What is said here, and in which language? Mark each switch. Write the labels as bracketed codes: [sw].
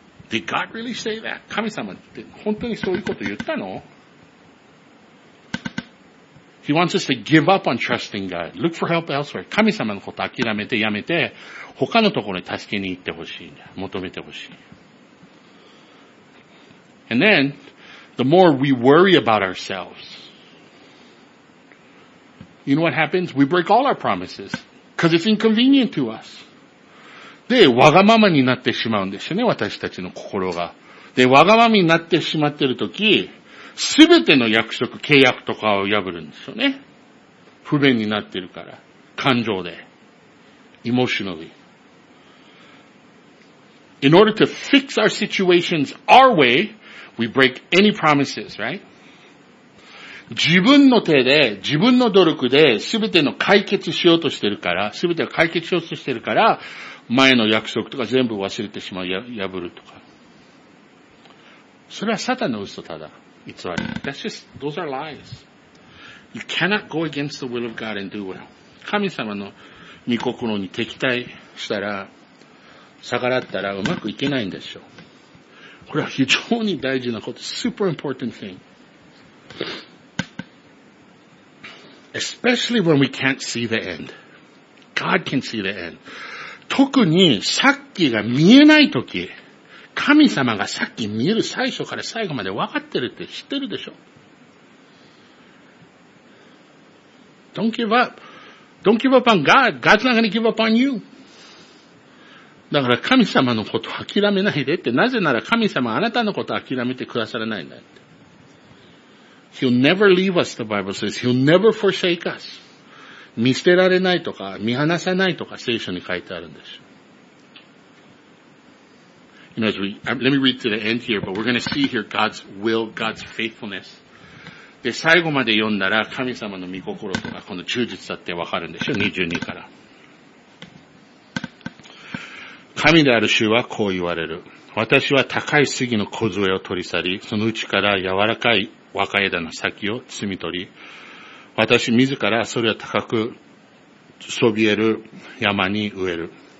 [en] Did God really say that? [ja] 神様って本当にそういうこと言ったの？ [en] He wants us to give up on trusting God. Look for help elsewhere. [ja] 神様のこと諦めてやめて、他のところに助けに行ってほしいんだ。求めてほしい。 [en] And then,The more we worry about ourselves, you know what happens? We break all our promises because it's inconvenient to us. [ja] で、わがままになってしまうんですよね、私たちの心が。で、わがままになってしまっているとき、すべての約束、契約とかを破るんですよね。不便になっているから、感情で、emotionally。 [en] In order to fix our situations our way,We break any promises, right? [ja] 自分の手で、自分の努力で、すべての解決しようとしてるから、すべてを解決しようとしてるから、前の約束とか全部忘れてしまう、破るとか。それはサタンの嘘ただ、偽り。 [en] That's just, those are lies. You cannot go against the will of God and do well. [ja] 神様の御心に敵対したら、逆らったらうまくいけないんでしょう。これは非常に大事なこと。 [en] Super important thing. Especially when we can't see the end. God can see the end. [ja] 特にさっきが見えないとき、神様がさっき見える最初から最後まで分かってるって知ってるでしょ。 [en] Don't give up. Don't give up on God. God's not going to give up on you. [ja] だから神様のことを諦めないでって、なぜなら神様はあなたのことを諦めてくださらないんだって。 [en] He'll never leave us, the Bible says. He'll never forsake us. [ja] 見捨てられないとか、見放さないとか、聖書に書いてあるんです。 [en] You know, let me read to the end here, but we're going to see here God's will, God's faithfulness. [ja] で、最後まで読んだら神様の御心とか、この忠実さってわかるんでしょ、22から。神である主はこう言われる。私は高い杉の小杖を取り去り、そのうちから柔らかい若枝の先を摘み取り、私自らそれを高くそびえる山に植える。